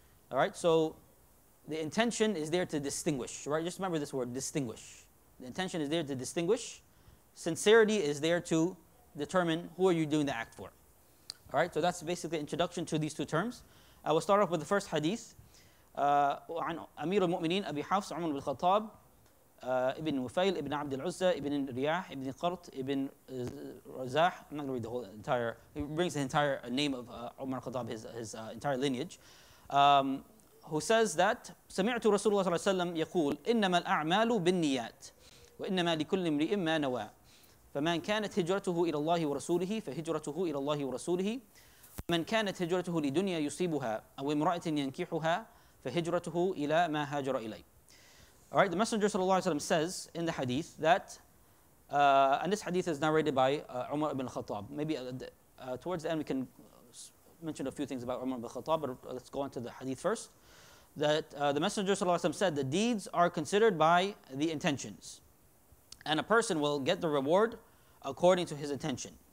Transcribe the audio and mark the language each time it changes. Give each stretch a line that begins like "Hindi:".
English: All right, so the intention is there to distinguish, right? Just remember this word, distinguish. The intention is there to distinguish. Sincerity is there to determine who are you doing the act for. All right, so that's basically the introduction to these two terms. I will start off with the first hadith.
Arabic: عن أمير المؤمنين أبي حفص عمر بن الخطاب ابن وفيل ابن عبد العزة ابن رياح ابن قرط ابن رزاح.
English: I'm not going to read the whole entire. He brings the entire name of Umar al-Khattab, his entire lineage. Who says that
Arabic: سمعت رسول الله صلى الله عليه وسلم يقول إنما الأعمال بالنيات وإنما لكل امرئ ما نوى فمن كانت هجرته إلى الله ورسوله فهجرته إلى الله ورسوله ومن كانت هجرته لدنيا يصيبها أو امرأة ينكحها فهجرته إلى ما هاجر إليه.
English: All right, the Messenger ﷺ says in the hadith that, and this hadith is narrated by Umar ibn al-Khattab. Maybe towards the end we can mention a few things about Umar ibn al-Khattab, but let's go on to the hadith first. That the Messenger ﷺ said the deeds are considered by the intentions, and a person will get the reward according to his intention.